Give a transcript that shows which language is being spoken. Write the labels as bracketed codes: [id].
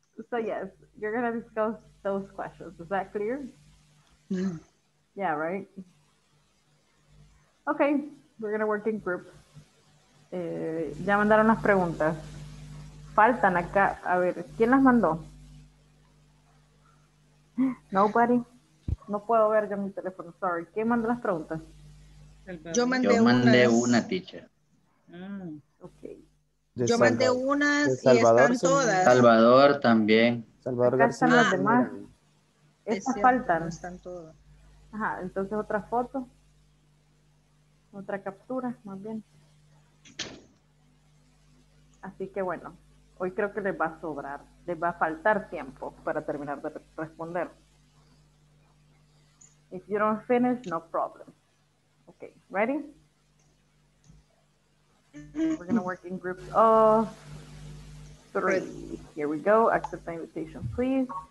[en] So yes, you're gonna discuss those questions. Is that clear? Yeah, right. Okay, we're gonna work in groups. [es] Ya mandaron las preguntas. Faltan acá. A ver, ¿quién las mandó? [en] Nobody. [es] No puedo ver yo mi teléfono. [en] Sorry. [es] ¿Quién mandó las preguntas? Yo mandé una, teacher. [en] Okay. [es] Yo mandé unas y están todas. Salvador también. Salvador García. Están las demás. Estas faltan. Están todas. Ajá. Entonces, otra foto. Otra captura, más bien. Así que bueno. Hoy creo que les va a sobrar, les va a faltar tiempo para terminar de responder. [en] If you don't finish, no problem. Okay, ready? We're going to work in groups of three. Here we go. Accept the invitation, please.